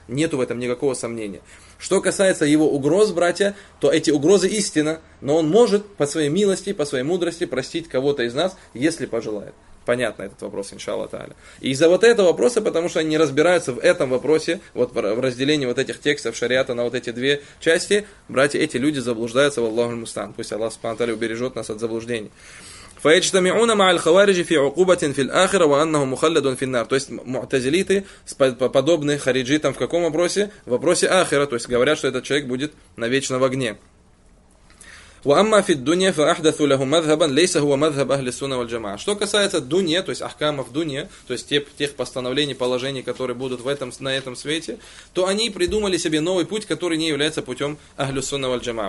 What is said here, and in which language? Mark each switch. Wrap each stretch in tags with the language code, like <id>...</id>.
<ru>Нету в этом никакого сомнения. Что касается его угроз, братья, то эти угрозы истина, но он может по своей милости, по своей мудрости простить кого-то из нас, если пожелает. Понятно этот вопрос, иншаллах та'аля. И из-за вот этого вопроса, потому что они не разбираются в этом вопросе, вот в разделении вот этих текстов шариата на вот эти две части, братья, эти люди заблуждаются в Аллаху аль-Мустан. Пусть Аллах субхану та'аля убережет нас от заблуждений.</ru> <ar>فَيَجْتَمِعُونَ مَعَ الْخَوَارِجِ فِي عُقُوبَةٍ فِي الْآخِرَةِ وَأَنَّهُمْ مُخَلَّدٌ فِي النَّارِ.</ar> <ru>То есть муътазилиты подобны хариджитам в каком вопросе? В вопросе ахира, то есть говорят, что этот человек будет навечно в огне.</ru> <ar>وَأَمَّا فِي الدُّنْيَا فَأَحْدَثُوا لَهُ مَذْهَبًا لَيْسَ هُوَ مَذْهَبْ أَهْلِ السُّنَّةِ وَالْجَمَاعَةِ.</ar> <ru>Что касается дунья, то есть ахкамов дунья, то есть тех постановлений, положений, которые будут на этом свете, то они придумали себе новый путь, который не является путем Ахлю Сунна валь Джамаа.</ru>